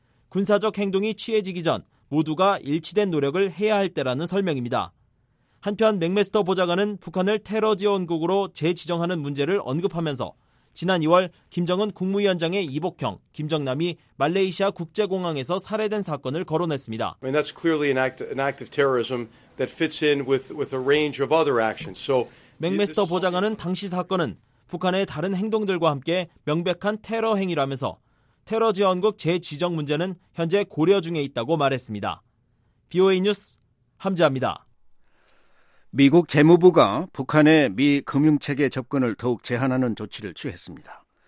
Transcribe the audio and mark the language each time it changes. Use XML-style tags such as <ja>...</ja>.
<ko>군사적 행동이 취해지기 전 모두가 일치된 노력을 해야 할 때라는 설명입니다. 한편 맥메스터 보좌관은 북한을 테러 지원국으로 재지정하는 문제를 언급하면서 지난 2월 김정은 국무위원장의 이복형, 김정남이 말레이시아 국제공항에서 살해된 사건을 거론했습니다.</ko> <en>I mean, that's clearly an act of terrorism that fits in with a range of other actions. So</en> <ko>맥메스터 보좌관은 당시 사건은 북한의 다른 행동들과 함께 명백한 테러 행위라면서 테러 지원국 재지정 문제는 현재 고려 중에 있다고 말했습니다. BOA 뉴스 함지아입니다. 미국 재무부가 북한의 미 금융체계 접근을 더욱 제한하는 조치를 취했습니다.</ko>